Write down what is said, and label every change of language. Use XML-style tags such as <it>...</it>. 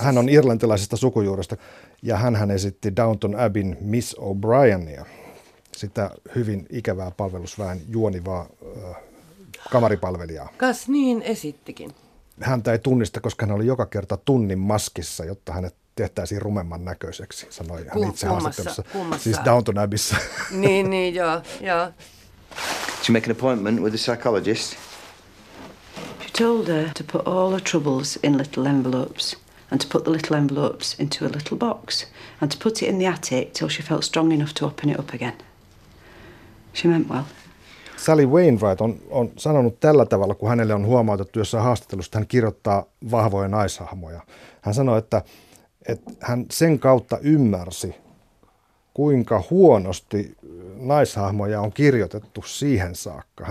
<fi>Hän on irlantilaisesta sukujuuresta. Ja hän esitti Downton Abbeyn Miss O'Briania, sitä hyvin ikävää palvelusväen juonivaa kamaripalvelijaa. Kas niin esittikin. Häntä ei tunnista, koska hän oli joka kerta tunnin maskissa, jotta hänet tehtäisiin rumemman näköiseksi, sanoi hän itse haastattelussa. Siis Downton Abbeyssä. Niin, joo, joo.</fi> <en>To make an appointment with a psychologist. She told her to put all her troubles in little envelopes. And to put the little envelopes into a little box and to put it in the attic till she felt strong enough to open it up again. She meant well.</en> <fi>Sally Wainwright on sanonut tällä tavalla, kun hänelle on huomautettu jossain haastattelussa, että hän kirjoittaa vahvoja naishahmoja. Hän sanoi, että hän sen kautta ymmärsi, kuinka huonosti naishahmoja on kirjoitettu siihen saakka.</fi>